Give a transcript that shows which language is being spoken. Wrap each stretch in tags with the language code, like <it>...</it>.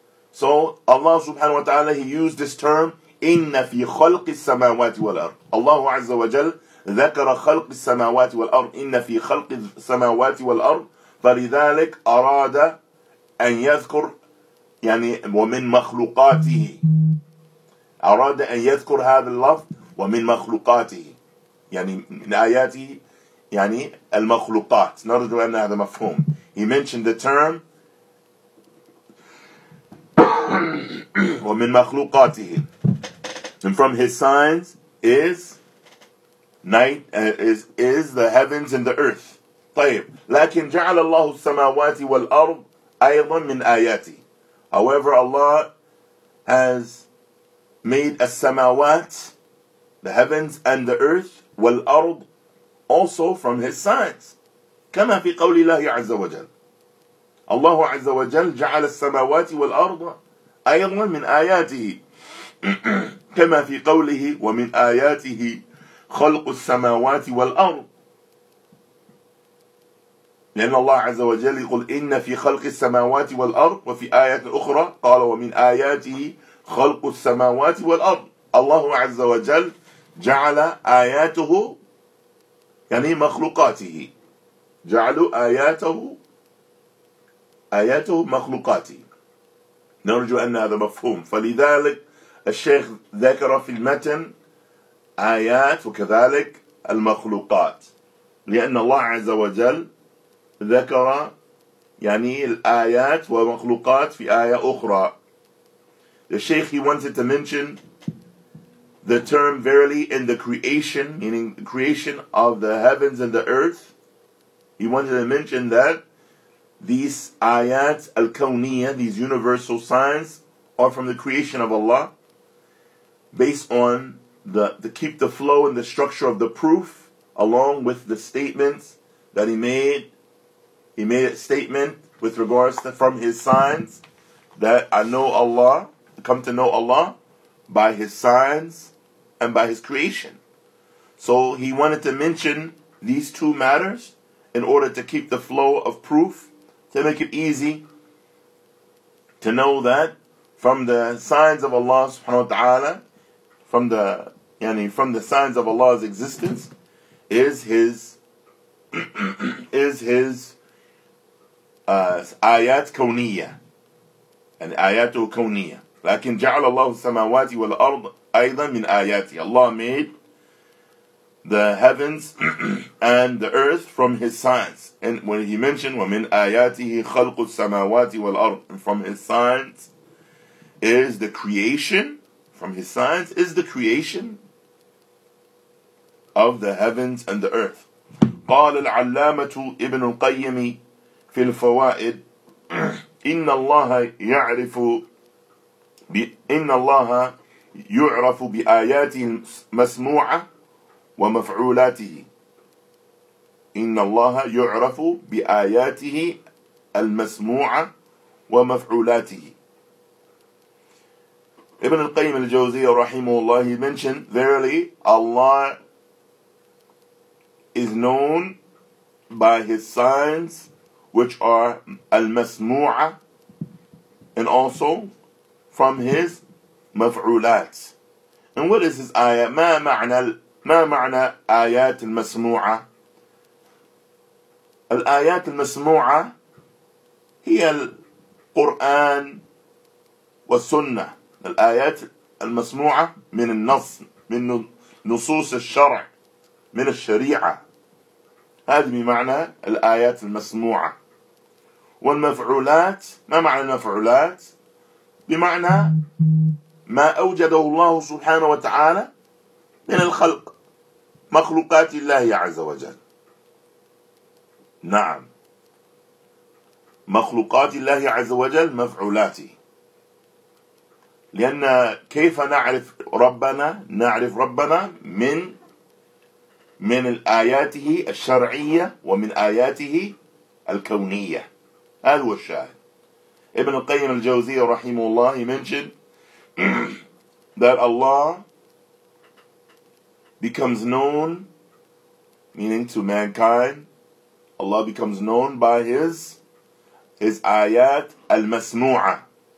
<en>So Allah subhanahu wa ta'ala, He used this term,</en> <ar>إِنَّ فِي خَلْقِ السَّمَاوَاتِ وَالْأَرْضِ Allahu Azza wa Jal, ذَكَرَ خَلْقِ السَّمَاوَاتِ وَالْأَرْضِ إِنَّ فِي خَلْقِ السَّمَاوَاتِ وَالْأَرْضِ فَلِذَلِكْ أَرَادَ أَنْ يَذْكُرْ وَمِن مَخْلُقَاتِهِ أَرَادَ أَنْ يَذْكُرْ هَذَا اللَّفْظِ وَمِن مَخْلُقَاتِهِ من آياته المخلوقات نرجو أن هذا مفهوم.</ar> <en>He mentioned the term,</en> <ar>وَمِنْ مَخْلُوقَاتِهِ</ar> <en>And from his signs is night, is the heavens and the earth.</en> <ar>طيب, لكن جعل الله السماوات والأرض أيضا من آياته.</ar> <en>However, Allah has made السماوات, the heavens and the earth, والأرض, also from his signs.</en> <ar>كما في قول الله عز وجل. الله عز وجل جعل السماوات والأرض أيضا من آياته كما في قوله ومن آياته خلق السماوات والأرض لأن الله عز وجل يقول إن في خلق السماوات والأرض وفي آية أخرى قال ومن آياته خلق السماوات والأرض الله عز وجل جعل آياته مخلوقاته جعل آياته مخلوقاته نرجو أن هذا مفهوم فلذلك الشيخ ذكر في المتن آيات وكذلك المخلوقات لأن الله عز وجل ذكر يعني الآيات ومخلوقات في آية أخرى.</ar> <en>The Shaykh, he wanted to mention the term verily in the creation, meaning creation of the heavens and the earth. He wanted to mention that these ayat al-kawniyah, these universal signs, are from the creation of Allah, based on the keep the flow and the structure of the proof, along with the statements that he made. He made a statement with regards to from his signs, that I know Allah, come to know Allah by his signs and by his creation. So he wanted to mention these two matters in order to keep the flow of proof, to make it easy to know that from the signs of Allah subhanahu wa ta'ala, from the signs of Allah's existence is his ayat kawniyah. And ayatul kawniyah.</en> <ar>لكن جعل الله السماوات والأرض أيضا من آياته.</ar> <en>Allah made the heavens and the earth from his signs. And when he mentioned</en> <ar>ومن آياته خلق السماوات والأرض,</ar> <en>and from his signs is the creation, from his signs is the creation of the heavens and the earth.</en> <ar>قال العلامة ابن القيم في الفوائد إن الله يعرف إن الله يعرف بآياته المسموعة ومفعولاته. إن الله يعرف بآياته المسموعة ومفعولاته.</ar> <en>Ibn al-Qayyim al-Jawziyya rahimahullah, he mentioned, verily Allah is known by his signs which are al-masmوعة, and also from his maf'ulat. And what is his ayat?</en> <ar>ما معنى آيات المسموعة؟ الآيات المسموعة هي القرآن والسنة. الآيات المسموعة من النص, من نصوص الشرع, من الشريعة. هذا بمعنى الآيات المسموعة. والمفعولات, ما معنى المفعولات؟ بمعنى ما أوجده الله سبحانه وتعالى من الخلق, مخلوقات الله عز وجل. نعم, مخلوقات الله عز وجل مفعولاته. لأن كيف نعرف ربنا؟ نعرف ربنا من آياته الشرعية ومن آياته الكونية. هذا هو الشاهد.</ar> <en>Ibn al-Qayyim al-Jawziyya rahimahullah, he mentioned that Allah becomes known, meaning to mankind, Allah becomes known by his ayat al-masmu'ah.</en>